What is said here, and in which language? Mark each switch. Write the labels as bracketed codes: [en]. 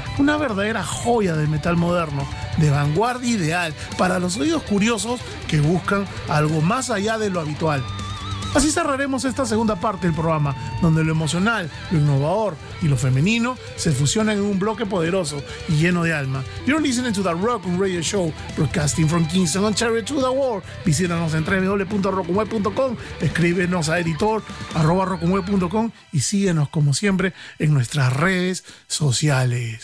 [es] Una verdadera joya de metal moderno, de vanguardia ideal para los oídos curiosos que buscan algo más allá de lo habitual. Así cerraremos esta segunda parte del programa, donde lo emocional, lo innovador y lo femenino se fusionan en un bloque poderoso y lleno de alma. [en] You're listening to the Rock Radio Show, broadcasting from Kingston, Ontario to the world. [es] Visítanos en www.rockunweb.com, escríbenos a editor@rockunweb.com y síguenos como siempre en nuestras redes sociales.